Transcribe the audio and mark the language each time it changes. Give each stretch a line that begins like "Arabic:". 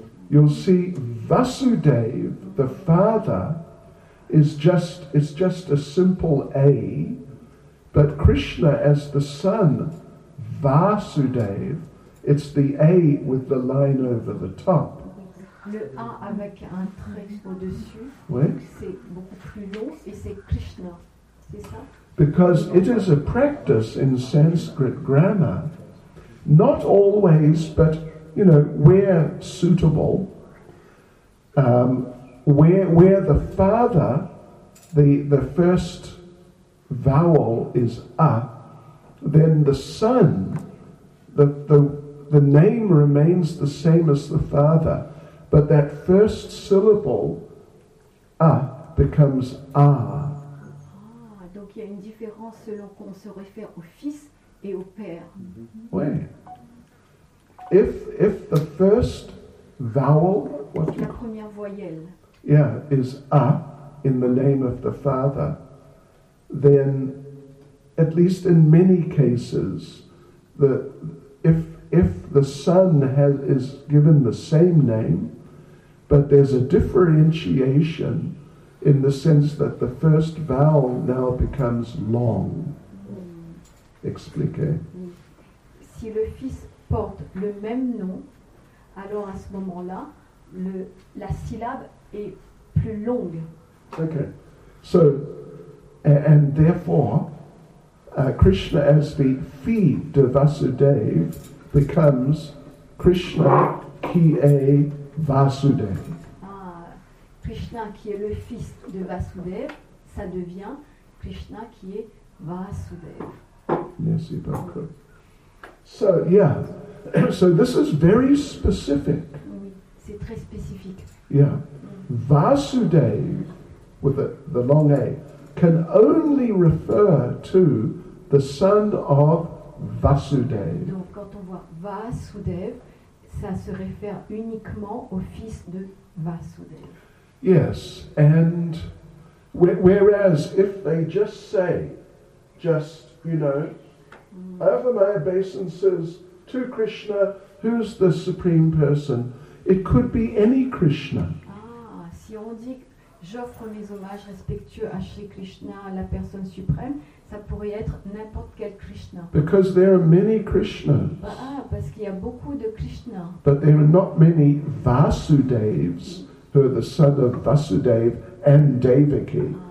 English: You'll see Vasudev, the father, is just a simple A, but Krishna as the son, Vasudev, it's the A with the line over the top.
French: Le A avec un trait au-dessus, oui. C'est beaucoup plus long et c'est Krishna, c'est ça?
English: Because it is a practice in Sanskrit grammar, not always, but you know, where suitable, where the father, the first vowel is a, then the son, the name remains the same as the father, but that first syllable a becomes a.
French: Ah, donc il y a une différence selon qu'on se réfère au fils et au père.
English: Mm-hmm. Oui. If the first vowel, what
French: la première voyelle,
English: yeah, is a in the name of the father, then at least in many cases, if the son is given the same name, but there's a differentiation in the sense that the first vowel now becomes long.
French: Expliquez. Si le fils porte le même nom, alors à ce moment-là, la syllabe est plus longue.
English: Okay. So, and therefore, Krishna as the
French: fi de Vasudev
English: becomes Krishna
French: qui est Vasudev. Ah, Krishna qui est le fils de Vasudev, ça devient Krishna qui est Vasudev. Merci beaucoup.
English: So, yeah. So this is very specific.
French: Oui, c'est très spécifique.
English: Yeah. Vasudev, with the long A, can only refer to the son of Vasudev.
French: Donc quand on voit Vasudev, ça se réfère uniquement au fils de Vasudev.
English: Yes, and whereas if they just say, just, you know, over my obeisances to Krishna, who's the supreme person? It could be any Krishna.
French: Ah, si on dit j'offre mes hommages respectueux à Shri Krishna, à la personne suprême, ça pourrait être n'importe quel Krishna.
English: Because there are many Krishnas.
French: Bah, ah, parce qu'il y a beaucoup de Krishna.
English: But there are not many Vasudevs, who are the son of Vasudev and Devaki.